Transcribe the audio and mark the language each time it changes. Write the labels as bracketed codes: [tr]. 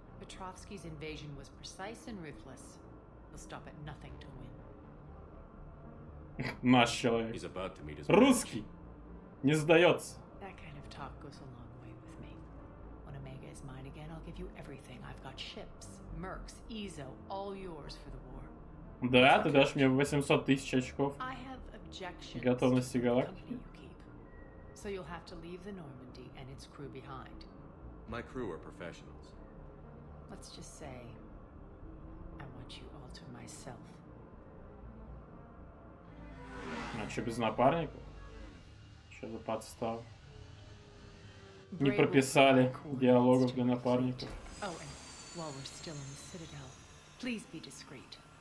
[en] Petrovsky's invasion was precise and ruthless. He'll stop at nothing to win. [ru] Наш человек. [en] He's about to meet his [ru] Русский! Не сдается. [en] That kind of talk goes a long way with me. When Omega is mine again, I'll give you everything. I've got ships. Mercs, Ezo, all yours for the war. [ru] Да, ты дашь мне 800 тысяч очков. [en] I have objections. [ru] Готовности галактики. [en] So you'll have to leave the Normandy and its crew behind. My crew are professionals. Let's just say, I want you all to myself. [ru] А что без напарника? Что за подстав? Не прописали диалогов для напарников. [en] While we're still in the Citadel, please be discreet.